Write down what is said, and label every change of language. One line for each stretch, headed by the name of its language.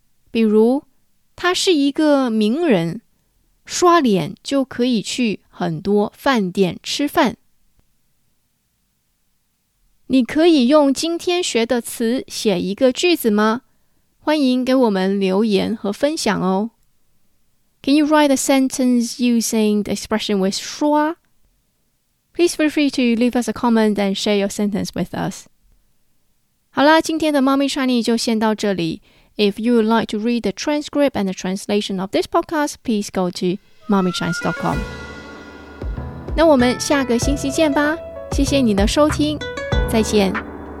Chinese: 比如他是一个名人，刷脸就可以去很多饭店吃饭。你可以用今天学的词写一个句子吗？欢迎给我们留言和分享哦。
English: Can you write a sentence using the expression with 刷? Please feel free to leave us a comment and share your sentence with us.
Chinese: 好啦，今天的 Mommy Chinese 就先到这里。
English: If you would like to read the transcript and the translation of this podcast, please go to mommychinese.com.
Chinese: 那我们下个星期见吧。谢谢你的收听，再见。